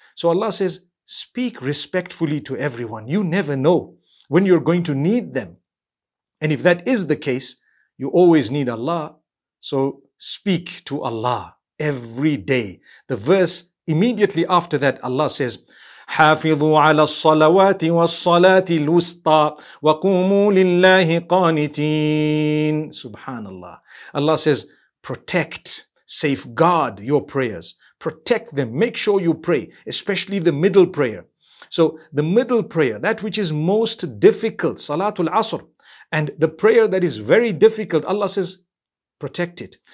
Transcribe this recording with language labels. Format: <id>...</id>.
<en>So Allah says, speak respectfully to everyone. You never know when you're going to need them. And if that is the case, you always need Allah. So speak to Allah every day. The verse immediately after that, Allah says,</en> <ar>حافظوا على الصلوات والصلاة الوسطى وقوموا لله قانتين.</ar> <en>Subhanallah. Allah says, protect, safeguard your prayers. Protect them. Make sure you pray, especially the middle prayer. So the middle prayer, that which is most difficult, Salatul Asr, and the prayer that is very difficult, Allah says, protect it.</en>